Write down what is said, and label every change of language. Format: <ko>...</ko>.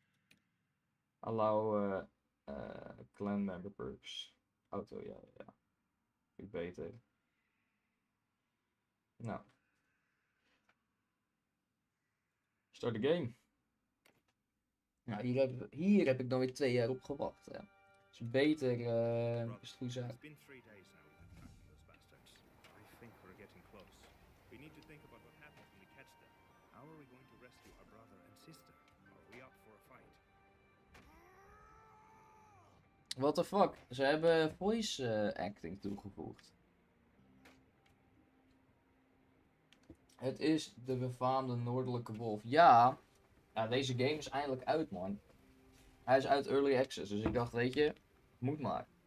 <en>Yeah. Allow clan member perks. Auto, ja, yeah, ja.</en> <nl>Yeah. Ik weet het. Nou.</nl> <en>Start the game.</en> <nl>Nou, hier heb ik dan weer 2 jaar op gewacht. Hè. Is beter, is het goed zo.</nl> <en>It's been 3 days now with the attack of those bastards. I think we're getting close. We need to think about what happened when we catch them. How are we going to rescue our brother and sister? Are we up for a fight? What the fuck?</en> <nl>Ze hebben voice acting toegevoegd. Het is de befaamde noordelijke wolf. Ja, nou, deze game is eindelijk uit, man. Hij is uit Early Access, dus ik dacht, weet je, moet maar.</nl>